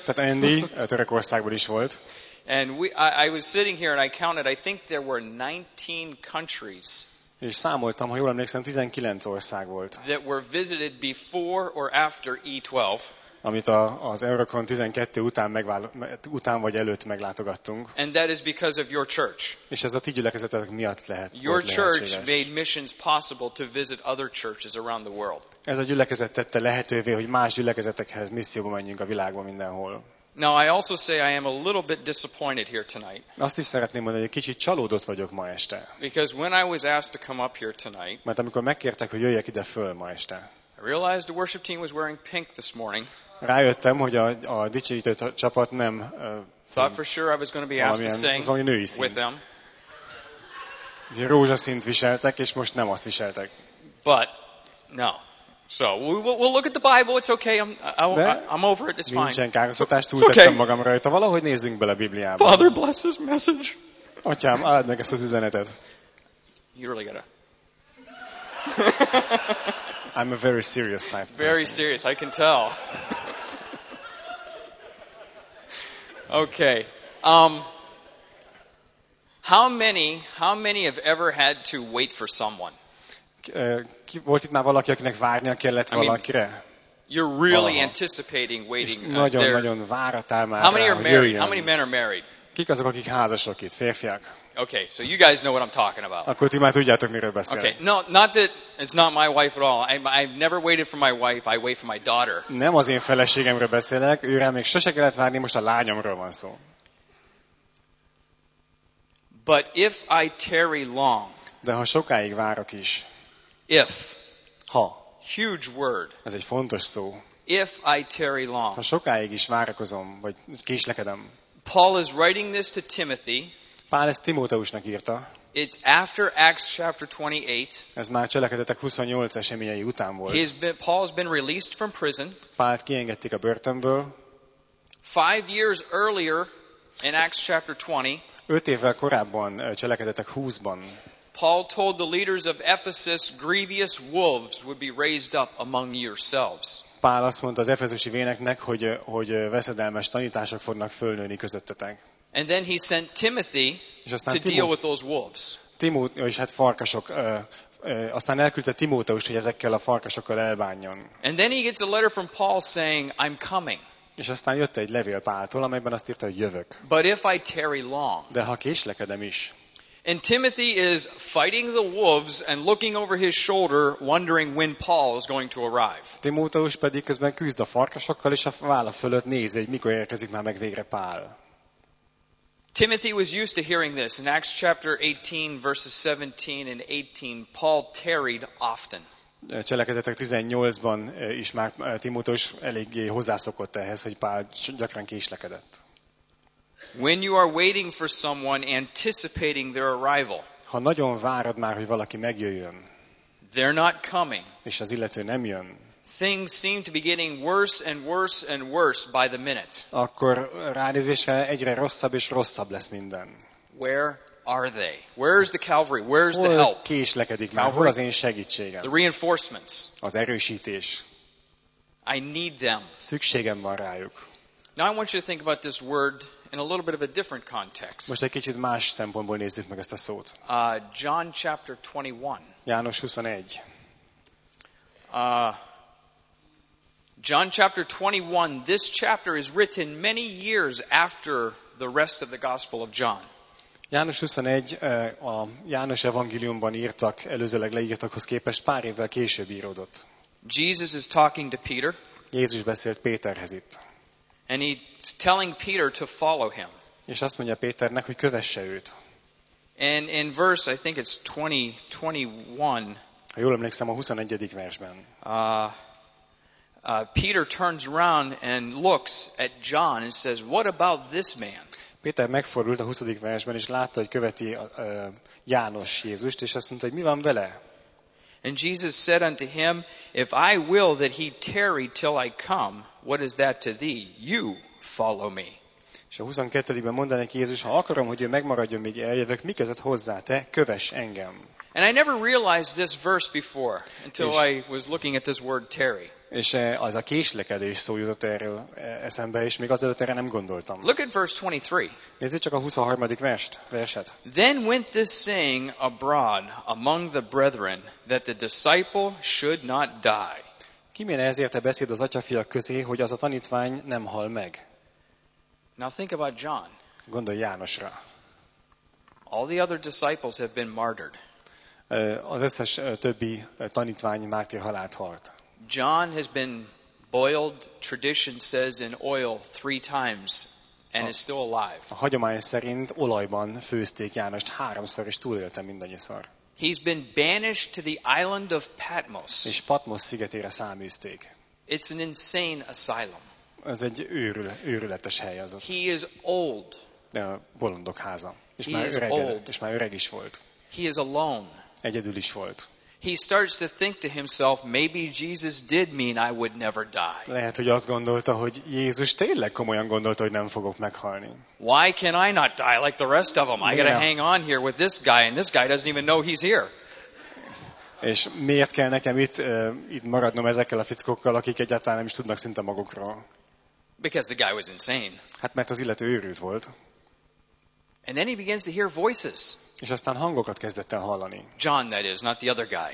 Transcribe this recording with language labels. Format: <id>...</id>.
<hu>Tehát Andy Törökországban is volt.</hu> <en>And I was sitting here and I counted, I think there were 19 countries.</en> <hu>És számoltam, ha jól emlékszem, 19 ország volt.</hu> <en>That were visited before or after E12.</en> <hu>Amit az Eurocon 12 után vagy előtt meglátogattunk.</hu> <en>And that is because of your church.</en> <hu>És ez a ti gyülekezetek miatt lehet.</hu> <en>Your church made missions possible to visit other churches around the world.</en> <hu>Ez a gyülekezet tette lehetővé, hogy más gyülekezetekhez misszióba menjünk a világban mindenhol.</hu> <en>Now I also say I am a little bit disappointed here tonight.</en> <hu>Azt is szeretném mondani, hogy kicsit csalódott vagyok ma este.</hu> <en>Because when I was asked to come up here tonight,</en> <hu>mert amikor megkértek, hogy jöjjek ide föl ma este,</hu> <en>I realized the worship team was wearing pink this morning.</en> <hu>Rájöttem, hogy a dicsérítő csapat nem.</hu> <en>Thought for sure I was going to be asked to sing with them.</en> <hu>Rózsaszint viseltek, és most nem azt viseltek.</hu> <en>But no. So we'll look at the Bible. It's okay. I'm over it. It's fine.</en> <hu>Nincsen kárhoztatás, túltettem okay. Magam rajta. Valahogy nézzünk bele a Bibliába.</hu> <en>Father bless his message.</en> <hu>Atyám, áld meg ezt az üzenetet.</hu> <en>You really gotta. I'm a very serious type. Very person. Serious. I can tell. Okay. How many have ever had to wait for someone?</en> <hu>Volt itt már valaki, akinek várnia kellett valakire?</hu> <en>You're really anticipating waiting.</en> <hu>Nagyon-nagyon váratál már.</hu> <en>How many are married? How many men are married?</en> <hu>Kik azok, akik házasok itt? Férfiak.</hu> <en>Okay, so you guys know what I'm talking about.</en> <hu>Akkor ti már tudjátok, miről beszélek.</hu> <en>Okay, no, not that it's not my wife at all. I've never waited for my wife. I wait for my daughter.</en> <hu>Nem az én feleségemről beszélek. Őre még sose kellett várni, most a lányomról van szó.</hu> <en>But if I tarry long.</en> <hu>De ha sokáig várok is.</hu> <en>If,</en> <hu>ha,</hu> <en>huge word.</en> <hu>Ez egy fontos szó.</hu> <en>If I tarry long.</en> <hu>Ha sokáig is várakozom, vagy késlekedem.</hu> <en>Paul is writing this to Timothy.</en> <hu>Pál ezt Timóteusnak írta.</hu> <en>It's after Acts chapter 28.</en> <hu>Ez már Cselekedetek 28 eseményei után volt.</hu> <en>Paul has been released from prison.</en> <hu>Pált kiengedték a börtönből.</hu> <en>5 years earlier in Acts chapter 20.</en> <hu>5 évvel korábban Cselekedetek 20-ban.</hu> <en>Paul told the leaders of Ephesus, grievous wolves would be raised up among yourselves.</en> <hu>Pál azt mondta az efezusi véneknek, hogy veszedelmes tanítások fognak fölnőni közöttetek.</hu> <en>And then he sent Timothy to deal with those wolves.</en> <hu>Timóteus, és hát farkasok, aztán elküldte Timóteust, hogy ezekkel a farkasokkal elbánjon.</hu> <en>And then he gets a letter from Paul saying, I'm coming.</en> <hu>És aztán jött egy levél Páltól, amelyben azt írta, hogy jövök.</hu> <en>But if I tarry long.</en> <hu>De ha késlekedem is.</hu> <en>And Timothy is fighting the wolves and looking over his shoulder, wondering when Paul is going to arrive.</en> <hu>Timóteus pedig közben küzd a farkasokkal, és a válla fölött nézi, hogy mikor érkezik már meg végre Pál.</hu> <en>Timothy was used to hearing this. In Acts chapter 18, verses 17 and 18, Paul tarried often.</en> <hu>Cselekedetek 18-ban is már Timóteus eléggé hozzászokott ehhez, hogy Pál gyakran késlekedett.</hu> <en>When you are waiting for someone, anticipating their arrival.</en> <hu>Ha nagyon várod már, hogy valaki megjöjjön.</hu> <en>They're not coming.</en> <hu>És az illető nem jön.</hu> <en>Things seem to be getting worse and worse and worse by the minute.</en> <hu>Akkor ránézésre egyre rosszabb és rosszabb lesz minden.</hu> <en>Where are they? Where is the cavalry? Where is the help?</en> <hu>Hol késlekedik már? Hol az én segítségem?</hu> <en>The reinforcements.</en> <hu>Az erősítés.</hu> <en>I need them.</en> <hu>Szükségem van rájuk.</hu> <en>Now I want you to think about this word in a little bit of a different context.</en> <hu>Most egy kicsit más szempontból nézzük meg ezt a szót.</hu> <en>John chapter 21.</en> <hu>János 21.</hu> <en>John chapter 21. This chapter is written many years after the rest of the Gospel of John.</en> <hu>János 21 a János evangéliumban írtak, előzőleg leírtakhoz képest pár évvel később íródott.</hu> <en>Jesus is talking to Peter.</en> <hu>Jézus beszélt Péterhez itt.</hu> <en>And he's telling Peter to follow him.</en> <hu>És azt mondja Péternek, hogy kövesse őt.</hu> <en>And in verse, I think it's 20:21.</en> <hu>Ha jól emlékszem, a 21. versben.</hu> <en>Peter turns around and looks at John and says, "What about this man?"</en> <hu>Péter megfordult a 20. versben, és látta, hogy követi János Jézust, és azt mondta, hogy mi van vele?</hu> <en>And Jesus said unto him, "If I will that he tarry till I come, what is that to thee? You follow me."</en> <hu>És a 22-ben mondta neki Jézus, ha akarom, hogy ő megmaradjon, míg eljövök, mi között hozzá, te kövess engem.</hu> <en>And I never realized this verse before until I was looking at this word tarry.</en> <hu>És az a késlekedés szó jutott erről eszembe, és még azelőtt erre nem gondoltam.</hu> <en>Look at verse 23.</en> <hu>Nézzük csak a 23. verset.</hu> <en>Then went this saying abroad among the brethren that the disciple should not die.</en> <hu>Kiméne ezért a beszéd az atyafiak közé, hogy az a tanítvány nem hal meg.</hu> <en>Now think about John.</en> <hu>Gondolj Jánosra.</hu> <en>All the other disciples have been martyred.</en> <hu>Az összes többi tanítvány mártír halált halt.</hu> <en>John has been boiled, tradition says, in oil 3 times, and is still alive.</en> <hu>A hagyomány szerint olajban főzték Jánost 3-szor, és túlélte mindannyiszor.</hu> <en>He's been banished to the island of Patmos.</en> <hu>És Patmos szigetére száműzték.</hu> <en>It's an insane asylum.</en> <hu>Ez egy őrületes hely az.</hu> <en>He is old.</en> <hu>A bolondok háza. És már öreg,</hu> <en>old.</en> <hu>És már öreg is volt.</hu> <en>He is alone.</en> <hu>Egyedül is volt.</hu> <en>He starts to think to himself, maybe Jesus did mean I would never die.</en> <hu>Lehet, hogy azt gondolta, hogy Jézus tényleg komolyan gondolta, hogy nem fogok meghalni.</hu> <en>Why can I not die like the rest of them? I gotta hang on here with this guy, and this guy doesn't even know he's here.</en> <hu>És miért kell nekem itt maradnom ezekkel a fickókkal, akik egyáltalán nem is tudnak szinte magukról?</hu> <en>Because the guy was insane.</en> <hu>Hát mert az illető őrült volt.</hu> <en>And then he begins to hear voices.</en> <hu>És aztán hangokat kezdett el hallani.</hu> <en>John, that is, not the other guy.</en>